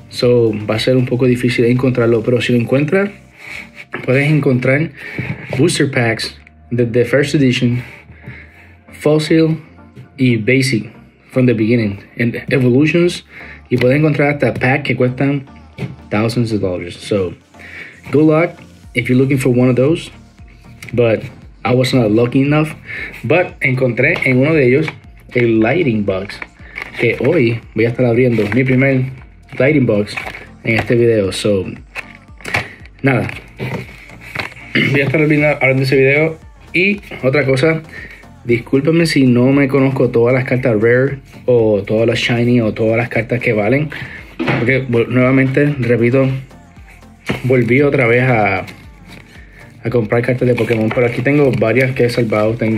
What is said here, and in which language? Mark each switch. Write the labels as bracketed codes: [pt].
[es] So, va a ser un poco difícil encontrarlo, pero si lo encuentras, puedes encontrar Booster Packs de the First Edition, Fossil y Basic [en] from the beginning, and Evolutions. [es] Y puedes encontrar hasta pack que cuestan [en] thousands of dollars. So, good luck if you're looking for one of those, but I was not lucky enough. [es] But encontré en uno de ellos el Lighting Box, que hoy voy a estar abriendo mi primer Lighting Box en este video. So, nada, voy a estar abriendo ese video. Y otra cosa, discúlpenme si no me conozco todas las cartas rare o todas las shiny o todas las cartas que valen, porque nuevamente repito, volví otra vez a comprar cartas de Pokémon, pero aquí tengo varias que he salvado.